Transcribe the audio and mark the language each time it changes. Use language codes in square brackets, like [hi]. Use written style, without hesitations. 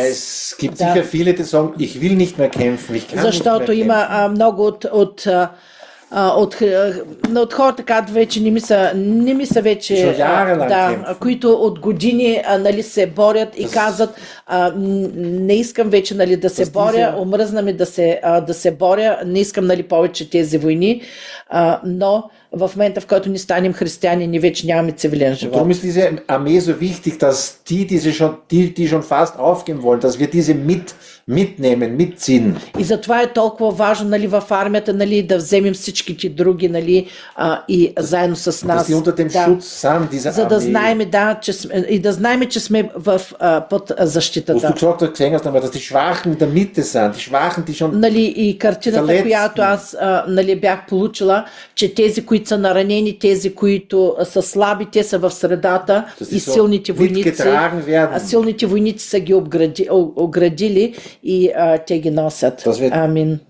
[de] Es gibt sicher viele, die sagen, ich will nicht mehr kämpfen, ich kann. [bg] Защото има много от хората, като вече не ми са вече, да, които от години, нали, се борят и казват, не искам вече, нали, да се боря, омръзна ми да се боря, не искам, нали, повече тези войни, но в момента, в който ни станем християни, ние вече нямаме цивилен живот. [de] Darum ist diese Armee so wichtig, dass die, die schon fast aufgeben wollen, dass wir diese mitnehmen, mitziehen. [bg] И затова е толкова важно, нали, в армията, нали, да вземем всичките други, нали, и заедно с нас. [de] Und unter dem [bg] да, [de] Schutz sein, diese [bg] за да знаем, да, че сме, и да знаем, че сме в под защитата. [de] Wo du gesagt hast, dass die Schwachen in der Mitte sind, die Schwachen, die schon [bg] нали, и картината, [de] verletzten. [bg] Която аз нали, бях получила, че тези, които са наранени, тези, които са слаби, те са в средата и силните войници. Силните войници са ги оградили и те ги носят. Амин.